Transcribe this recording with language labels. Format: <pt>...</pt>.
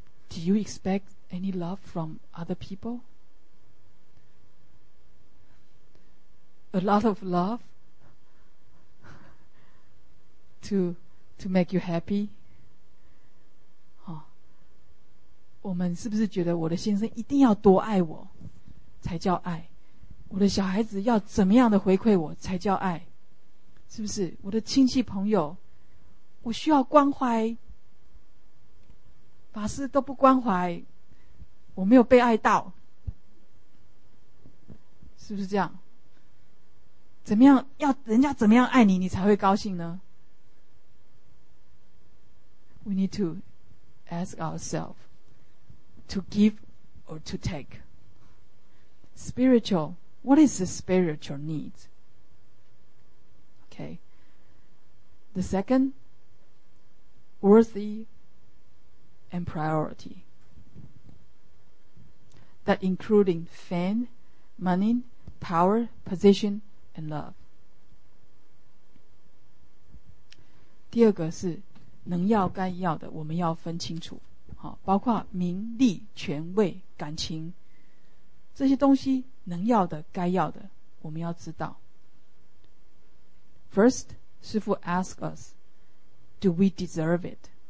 <en>Do you expect any love from other people? A lot of love to make you happy?</en> <zh>我们是不是觉得我的先生一定要多爱我才叫爱，我的小孩子要怎么样的回馈我才叫爱，是不是？我的亲戚朋友我需要关怀，法师都不关怀，我没有被爱到，是不是这样？怎么样要人家怎么样爱你你才会高兴呢？</zh> <en>We need to ask ourselves to give or to take. Spiritual, what is the spiritual need? Okay. The second, worthy and priority. That including fame, money, power, position, and love.</en> <zh>第二个是能要该要的，我们要分清楚，好，包括名利权位感情这些东西，能要的该要的我们要知道。</zh> <en>First, 师父 ask us, Do we deserve it?</en>